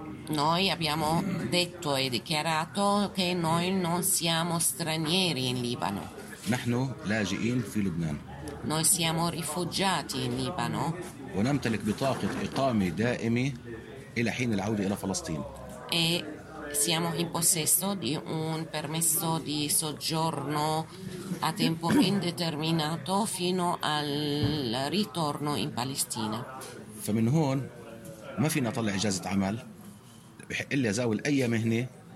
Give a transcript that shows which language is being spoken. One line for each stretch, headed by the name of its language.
Italian: Noi abbiamo detto e dichiarato che noi non siamo stranieri in Libano.
Arabic: نحن لاجئين في لبنان.
Italian: Noi siamo rifugiati in Libano.
Arabic: ونمتلك بطاقة إقامة دائمة إلى حين العودة إلى فلسطين.
Italian: E siamo in possesso di un permesso di soggiorno a tempo indeterminato fino al ritorno in Palestina.
Arabic: فمن هون ما فينا طلع إجازة عمل بحق لي زاول أي مهنة